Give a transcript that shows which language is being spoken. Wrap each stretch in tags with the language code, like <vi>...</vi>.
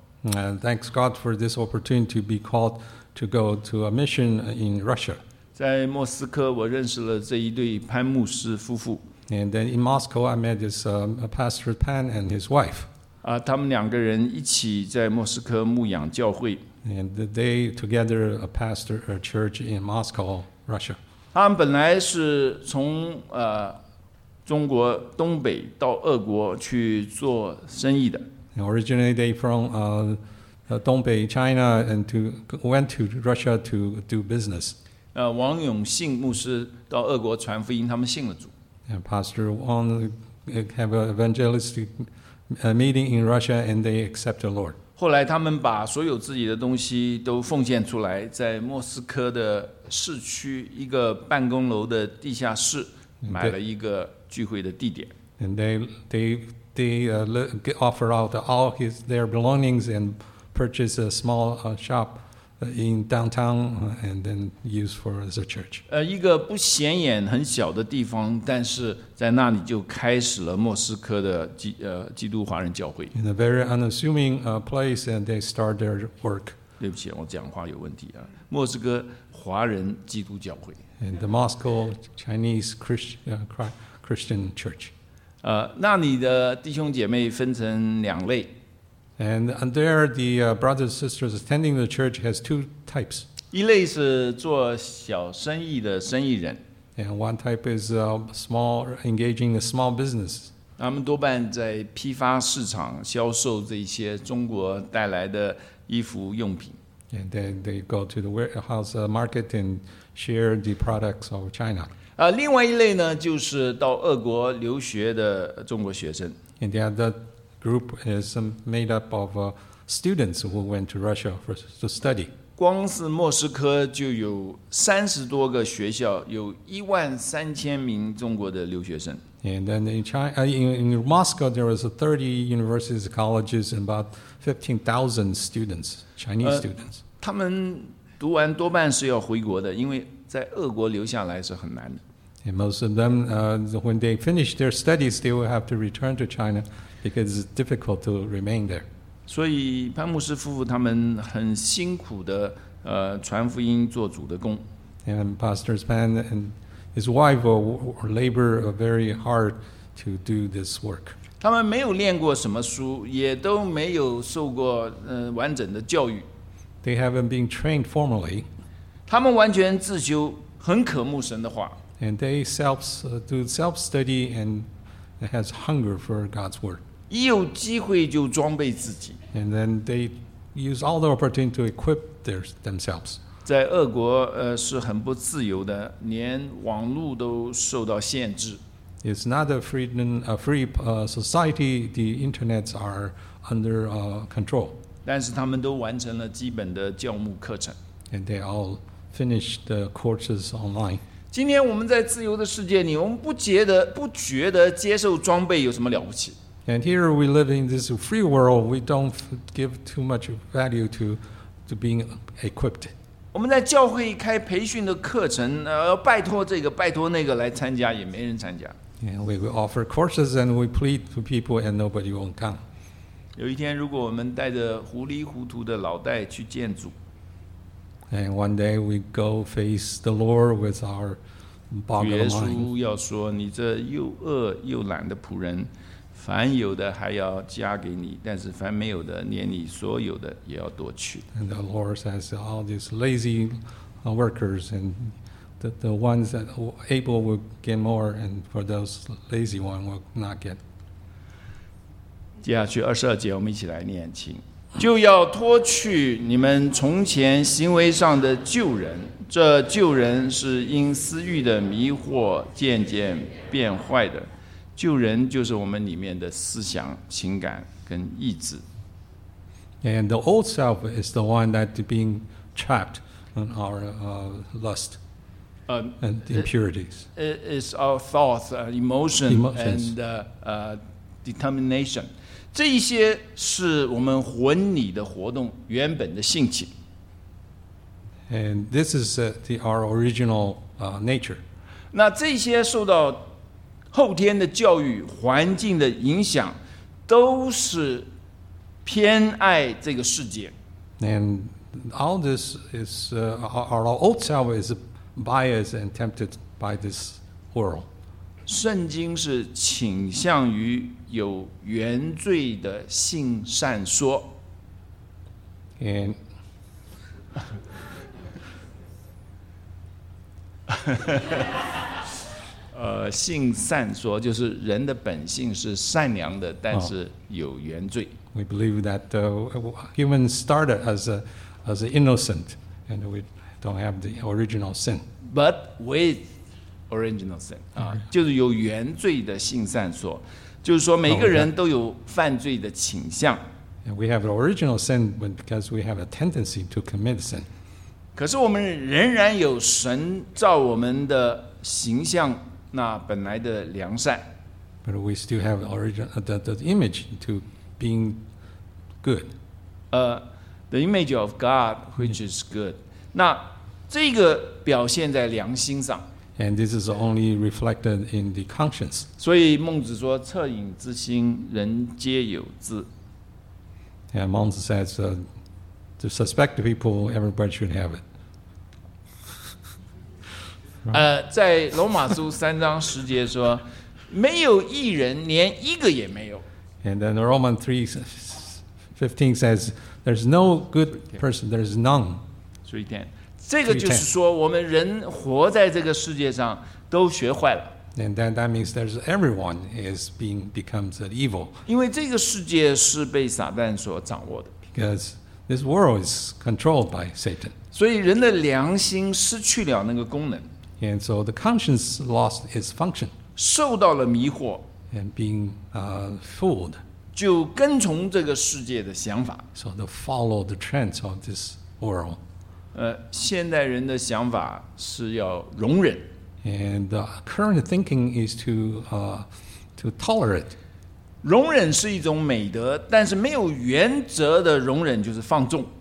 <en>Thanks God for this opportunity to be called to go to a mission in Russia.</en> <zh>在莫斯科我认识了这一对潘牧师夫妇。</zh> <en>And then in Moscow I met this Pastor Pan and his wife.</en> <zh>他们两个人一起在莫斯科牧养教会。</zh> <en>And they together a pastor a church in Moscow, Russia.</en> <zh>他们本来是从中国东北到俄国去做生意的。</zh> <en>Originally they from Dongbei China and to went to Russia to do business.</en> <zh>王永信牧师到俄国传福音，他们信了主。</zh> <en>And Pastor Wang have an evangelistic meeting in Russia and they accept the Lord.</en> <zh>后来他们把所有自己的东西都奉献出来，在莫斯科的市区一个办公楼的地下室买了一个聚会的地点。</zh> <en>And they offer out all his their belongings and purchase a small shop in downtown and then use for as a church.</en> <zh>一个不显眼很小的地方，但是在那里就开始了莫斯科的基督华人教会。</zh> <en>In a very unassuming place, and they start their work.</en> <zh>对不起，我讲话有问题啊。莫斯科华人基督教会。</zh> <en>And the Moscow Chinese Christian Church.</en> <zh>那里的弟兄姐妹分成两类。</zh> <en>And there the brothers and sisters attending the church has two types.</en> <zh>一类是做小生意的生意人。</zh> <en>And one type is engaging a small business.</en> <zh>他们多半在批发市场销售这些中国带来的衣服用品。</zh> <en>And then they go to the warehouse market and share the products of China.</en> <zh>另外一类呢，就是到俄国留学的中国学生。</zh> <en>And the other group is made up of students who went to Russia to study.</en> <zh>光是莫斯科就有30多个学校，有13000名中国的留学生。</zh> <en>And then in Moscow, there was 30 universities, colleges, and about 15,000 students, Chinese students.</en> <zh>他们读完多半是要回国的，因为在俄国留下来是很难的。</zh> <en>And most of them, when they finish their studies, they will have to return to China because it's difficult to remain there.</en> <zh>所以潘牧师夫妇他们很辛苦的传福音做主的工。</zh> <en>And Pastor Pan and his wife will labor very hard to do this work.</en> <zh>他们没有练过什么书，也都没有受过完整的教育。</zh> <en>They haven't been trained formally.</en> <zh>他们完全自修，很渴慕神的话。</zh> <en>And they do self-study and has hunger for God's word.</en> <zh>一有机会就装备自己。</zh> <en>And then they use all the opportunity to equip themselves.</en> <zh>在俄国是很不自由的，连网络都受到限制。</zh> <en>It's not a free society. The internets are under control.</en> <zh>但是他们都完成了基本的教牧课程。</zh> <en>And they all finished the courses online.</en> <zh>今天我们在自由的世界里，我们不觉得接受装备有什么了不起。</zh> <en>And here we live in this free world, we don't give too much value to being equipped.</en> <zh>我们在教会开培训的课程，拜托这个，拜托那个来参加，也没人参加。</zh> <en>And we offer courses and we plead to people and nobody won't come.</en> <zh>有一天，如果我们带着糊里糊涂的脑袋去见主。</zh> <en>And one day we go face the Lord with our boggled mind.</en> <zh>主耶稣要说：“你这又饿又懒的仆人，凡有的还要加给你，但是凡没有的，连你所有的也要夺去。”</zh> <en>And the Lord says, "All these lazy workers, and the ones that are able will get more, and for those lazy ones will not get."</en> <zh>接下去二十二节，我们一起来念，请。就要脱去你们从前行为上的旧人，这旧人是因私欲的迷惑渐渐变坏的。旧人就是我们里面的思想、情感跟意志。</zh> <en>And the old self is the one that being trapped in our lust and impurities. It's our thoughts, emotions. And determination.</en> <zh>这一些是我们魂里的活动原本的性情。</zh> <en>And this is our original nature.</en> <zh>那这些受到后天的教育、环境的影响，都是偏爱这个世界。</zh> <en>And all this is our old self is biased and tempted by this world.</en> <zh>圣经是倾向于有原罪的性善说。</zh> <en>And</en> <zh>性善说就是人的本性是善良的，但是有原罪。</zh> <en>Oh, we believe that the human started as innocent, and we don't have the original sin. But with original sin,</en> <zh>就是有原罪的性善说，就是说每个人都有犯罪的倾向。</zh> <en>And we have an original sin because we have a tendency to commit sin. 可是我们仍然有神造我们的形象那本来的良善。 But we still have original the image to being good. The image of God, which is good.</en> <zh>那这个表现在良心上。</zh> <en>And this is only reflected in the conscience.</en> <zh>所以孟子说，恻隐之心，人皆有之。</zh> <en>And Mons says, to suspect people, everybody should have it.</en> <zh>在罗马书三章十节说，没有义人，连一个也没有。</zh> <en>And then Romans 3:15 says, there's no good person, there's none.</en> <zh>3:10这个就是说，我们人活在这个世界上都学坏了。</zh> <en>And that means there's everyone is being becomes an evil.</en> <zh>因为这个世界是被撒旦所掌握的。</zh> <en>Because this world is controlled by Satan.</en> <zh>所以人的良心失去了那个功能。</zh> <en>And so the conscience lost its function.</en> <zh>受到了迷惑。</zh> <en>And being fooled.</en> <zh>就跟从这个世界的想法。</zh> <en>So they follow the trends of this world.</en> <zh>现代人的想法是要容忍。</zh> <en>And the current thinking is to tolerate.</en> <zh>容忍是一种美德，但是没有原则的容忍就是放纵。</zh>